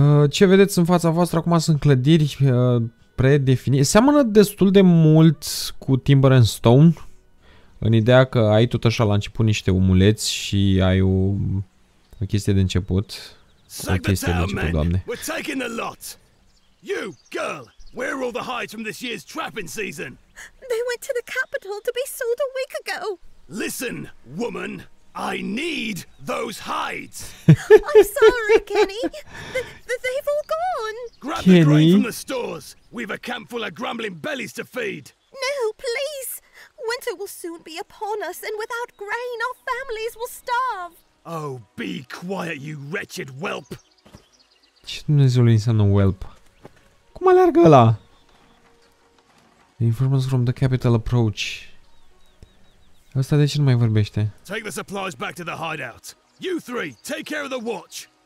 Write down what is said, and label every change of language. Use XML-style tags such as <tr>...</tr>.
<ro>Ce vedeți în fața voastră? Acum sunt clădiri predefinit. Seamănă destul de mult cu Timber and Stone, în ideea că ai tot așa la început niște omuleți și ai o chestie de început. O chestie de început, Doamne.</ro> <en>We're taking the lot. You, girl, where are all the hides from this year's trapping season? They went to the capital to be sold a week ago. Listen, woman, I need those hides. I'm sorry, Kenny. They've all gone. Grab the grain from the stores. We've a camp full of grumbling bellies to feed. No, please. Winter will soon be upon us, and without grain, our families will starve. Oh, be quiet, you wretched whelp.</en> <ro>Ce Dumnezeu le înseamnă whelp? Cum aleargă ăla?</ro> <en>Inform us from the capital approach.</en> <ro>Asta de ce nu mai vorbește?</ro> <en>Take the supplies back to the hideout. You three, take care of the watch.</en>